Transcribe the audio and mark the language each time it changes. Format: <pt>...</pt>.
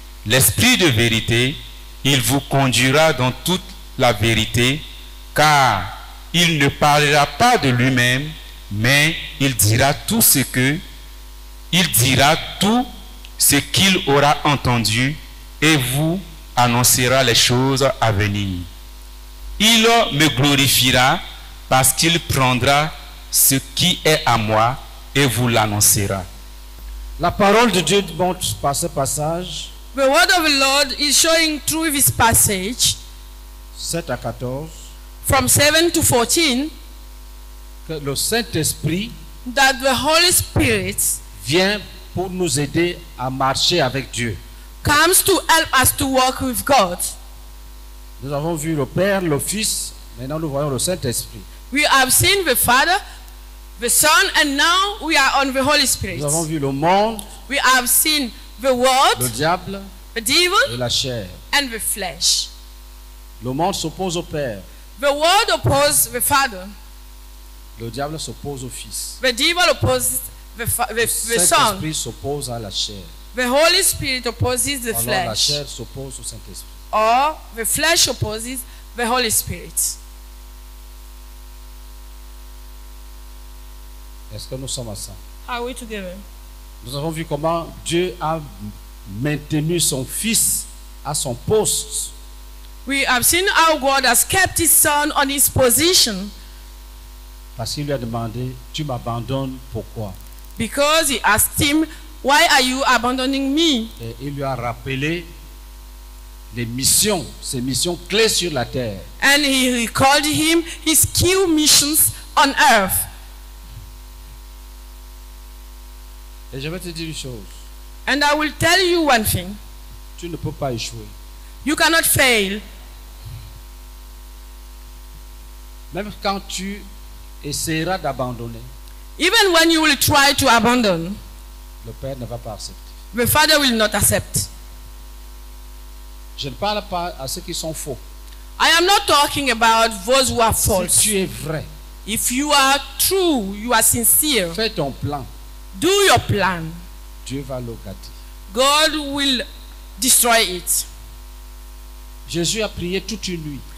<fr>l'Esprit de vérité, il vous conduira dans toute la vérité, car il ne parlera pas de lui-même, mais il dira tout ce que il dira tout ce qu'il aura entendu et vous annoncera les choses à venir. Il me glorifiera parce qu'il prendra ce qui est à moi et vous l'annoncera. La parole de Dieu montre par ce passage.</fr> <en>The word of the Lord is showing through this passage.</en> <fr>7 à 14.</fr> <en>From 7 to 14.</en> <fr>Que le Saint-Esprit.</fr> <en>That the Holy Spirit.</en> <fr>Vient pour nous aider à marcher avec Dieu.</fr> <en>Comes to help us to walk with God.</en> <fr>Nous avons vu le Père, le Fils, maintenant nous voyons le Saint-Esprit.</fr> <en>We have seen the Father, the Son, and now we are on the Holy Spirit.</en> <fr>Nous avons vu le monde.</fr> <en>We have seen the world,</en> <fr>le diable,</fr> <en>the devil,</en> <fr>et la chair,</fr> <en>and the flesh.</en> <fr>Le monde s'oppose au Père.</fr> <en>The world opposes the Father.</en> <fr>Le diable s'oppose au Fils.</fr> <en>The devil opposes the Son.</en> <fr>Le Saint-Esprit s'oppose à la chair.</fr> <en>The Holy Spirit opposes the</en> <fr>Alors,</fr> <en>flesh.</en> <fr>La chair s'oppose au Saint-Esprit.</fr> <en>Or the flesh opposes the Holy Spirit.</en> <fr>Est-ce que nous sommes ensemble?</fr> <en>Are we together?</en> <fr>Nous avons vu comment Dieu a maintenu son Fils à son poste.</fr> <en>We have seen how God has kept His Son on His position.</en> <fr>Parce qu'il lui a demandé, tu m'abandonnes, pourquoi?</fr> <en>Because He asked Him, why are you abandoning me?</en> <fr>Et il lui a rappelé les missions, ses missions clés sur la terre.</fr> <en>And He recalled Him His key missions on earth.</en> <fr>Et je vais te dire une chose.</fr> <en>And I will tell you one thing.</en> <fr>Tu ne peux pas échouer.</fr> <en>You cannot fail.</en> <fr>Même quand tu essaieras d'abandonner.</fr> <en>Even when you will try to abandon.</en> <fr>Le Père ne va pas accepter.</fr> <en>The Father will not accept.</en> <fr>Je ne parle pas à ceux qui sont faux.</fr> <en>I am not talking about those who are false.</en> <fr>Si tu es vrai.</fr> <en>If you are true, you are sincere.</en> <fr>Fais ton plan.</fr> <en>Do your plan.</en> <fr>Dieu va le gâter.</fr> <en>God will destroy it.</en> <fr>Jésus a prié toute une nuit.</fr>